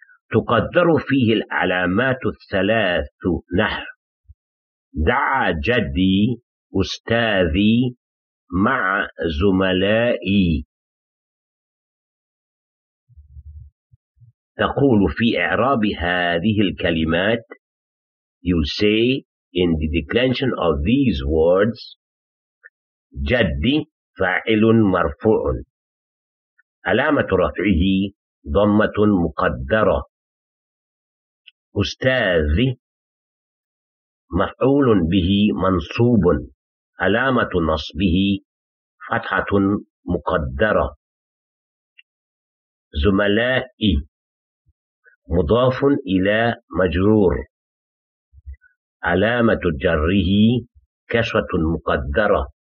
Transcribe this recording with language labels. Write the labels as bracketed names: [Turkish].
[Arabic] تقدر فيه العلامات الثلاث نحو دعا جدي أستاذي مع زملائي. تقول في إعراب هذه الكلمات. [English] You say in the declension of these words [Arabic] جدي فاعل مرفوع علامة رفعه ضمة مقدرة. أستاذي مفعول به منصوب علامة نصبه فتحة مقدرة. زملائي مضاف إلى مجرور علامة جره كسرة مقدرة.